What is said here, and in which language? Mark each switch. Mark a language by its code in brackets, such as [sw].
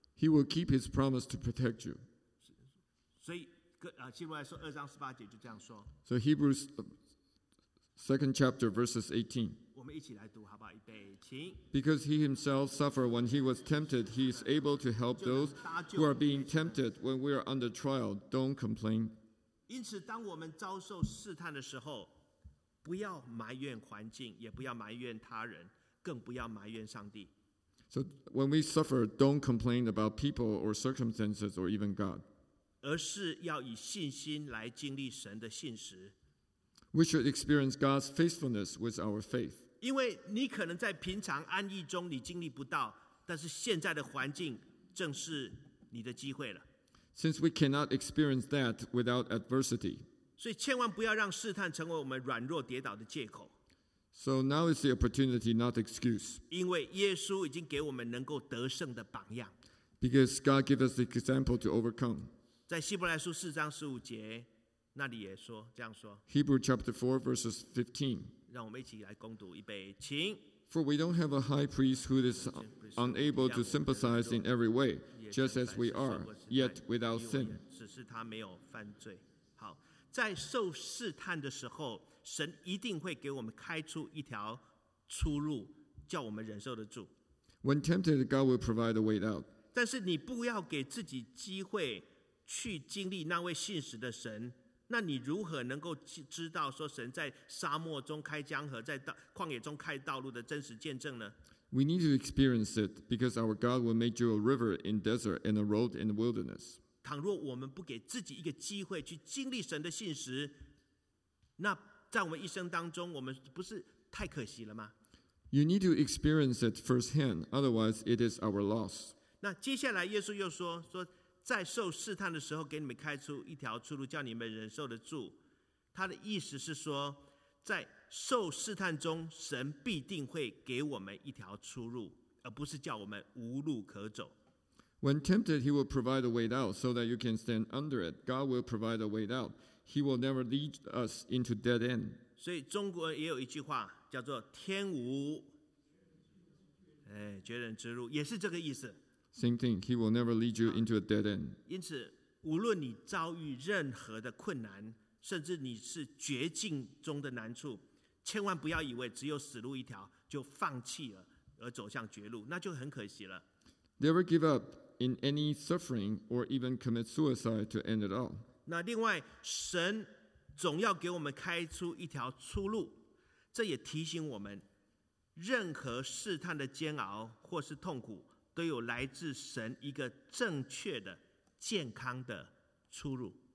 [en] He will keep His promise to protect you. [zh] 所以希伯来说二章十八节就这样说。 [en] So Hebrews Second chapter, verses 18. [zh] 我们一起来读好不好？预备，请。 [en] Because he himself suffered when he was tempted, he is able to help those who are being tempted when we are under trial. Don't complain. [zh] 因此，当我们遭受试探的时候，不要埋怨环境，也不要埋怨他人，更不要埋怨上帝。 [en] So when we suffer, don't complain about people or circumstances or even God. [zh] 而是要以信心来经历神的信实。 [en] We should experience God's faithfulness with our faith. [zh] 因为你可能在平常安逸中你经历不到，但是现在的环境正是你的机会了。 [en] Since we cannot experience that without adversity. [zh] 所以千万不要让试探成为我们软弱跌倒的借口。 [en] So now is the opportunity, not excuse. [zh] 因为耶稣已经给我们能够得胜的榜样。 [en] Because God gave us the example to overcome. [zh] 在希伯来书四章十五节，那里也说，这样说。 [en] Hebrew chapter 4 verses 15. [zh] 让我们一起来恭读，预备，请。 [en] For we don't have a high priest who is unable to sympathize in every way, just as we are, yet without sin. [zh] 只是他没有犯罪。好，在受试探的时候，神一定会给我们开出一条出路，叫我们忍受得住。 [en] When tempted, God will provide a way out. [zh] 但是你不要给自己机会去经历那位信实的神，那你如何能够知道说神在沙漠中开江河，在旷野中开道路的真实见证呢？ [en] We need to experience it because our God will make you a river in desert and a road in the wilderness. [zh] 倘若我们不给自己一个机会去经历神的信实，那在我们一生当中，我们不是太可惜了吗？ [en] You need to experience it firsthand, otherwise it is our loss. [zh] 那接下来耶稣又说，说在受试探的时候给你们开出一条出路，叫你们忍受得住。他的意思是说，在受试探中，神必定会给我们一条出路，而不是叫我们无路可走。 [en] When tempted, he will provide a way out so that you can stand under it. God will provide a way out. He will never lead us into dead end. [zh] 所以中国也有一句话叫做天无绝人之路，也是这个意思。 [en] Same thing, he will never lead you into a dead end. [zh] 因此无论你遭遇任何的困难，甚至你是绝境中的难处，千万不要以为只有死路一条就放弃了而走向绝路，那就很可惜了。 [en] Never give up in any suffering or even commit suicide to end it all. [zh] 那另外，神总要给我们开出一条出路，这也提醒我们，任何试探的煎熬或是痛苦都有来自神一个正确的健康的出路。